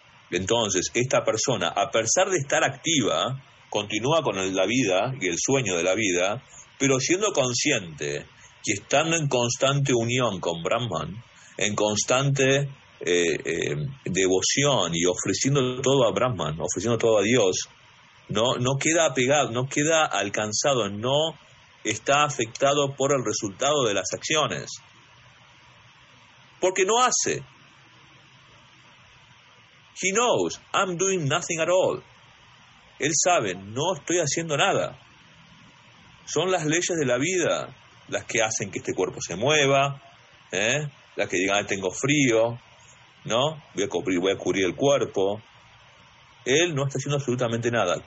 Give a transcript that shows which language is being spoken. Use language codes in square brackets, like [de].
[es] Entonces, esta persona, a pesar de estar activa, continúa con la vida y el sueño de la vida, pero siendo consciente y estando en constante unión con Brahman, en constante devoción y ofreciendo todo a Brahman, ofreciendo todo a Dios, no queda apegado, no queda alcanzado, no está afectado por el resultado de las acciones, porque no hace. [en] He knows, I'm doing nothing at all. [es] Él sabe, no estoy haciendo nada. Son las leyes de la vida las que hacen que este cuerpo se mueva, las que digan, tengo frío, ¿no? Voy a cubrir el cuerpo. Él no está haciendo absolutamente nada.